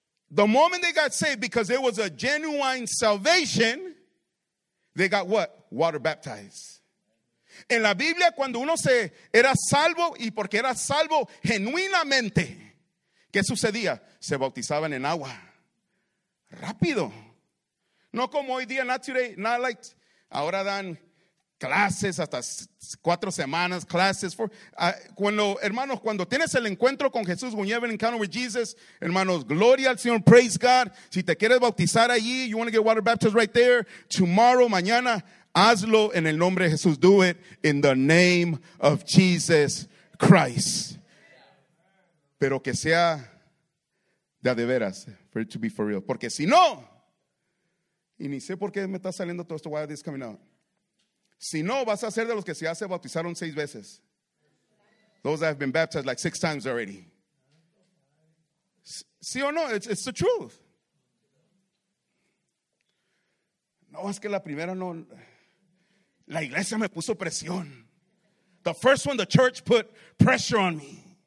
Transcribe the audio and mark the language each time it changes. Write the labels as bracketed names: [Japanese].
[English] The moment they got saved, because it was a genuine salvation, they got what? Water baptized. [Spanish] En la Biblia, cuando uno se era salvo, y porque era salvo genuinamente, ¿qué sucedía? Se bautizaban en agua. Rápido. No como hoy día, [English] not today, not like, [Spanish] ahora dan clases hasta 4 semanas, clases. Cuando tienes el encuentro con Jesús, [English] when you have an encounter with Jesus, [Spanish] hermanos, gloria al Señor, [English] praise God. [Spanish] Si te quieres bautizar allí, [English] you want to get water baptized right there, tomorrow, [Spanish] mañana, hazlo en el nombre de Jesús. [English] Do it in the name of Jesus Christ. [Spanish] Pero que sea de veras, [English] for it to be for real. [Spanish] Porque si no, y ni sé por qué me está saliendo todo esto, [English] why this coming out. [Spanish] Si no, vas a ser de los que ya se bautizaron 6 veces. [English] Those that have been baptized like 6 times already. [Spanish] Sí o no, [English] it's the truth. [Spanish] No, es que la primera no. La iglesia me puso presión. [English] The first one, the church put pressure on me.